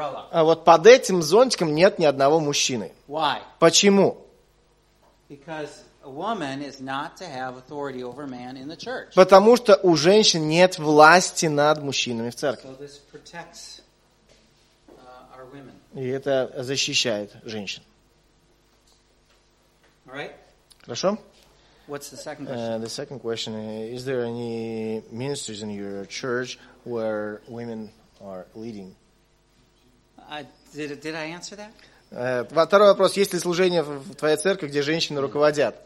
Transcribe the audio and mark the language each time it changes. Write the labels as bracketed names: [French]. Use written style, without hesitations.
[Russian] А вот под этим зонтиком нет ни одного мужчины. [English] Why? [Russian] Почему? [English] Because a woman is not to have authority over man in the church. [Russian] Потому что у женщин нет власти над мужчинами в церкви. [English] So this protects our women. [Russian] И это защищает женщин. [English] All right? [Russian] Хорошо? [English] What's the second question? The second question is there any ministries in your church where women are leading? Did I answer that? [Russian] Второй вопрос. Есть ли служение в твоей церкви, где женщины руководят?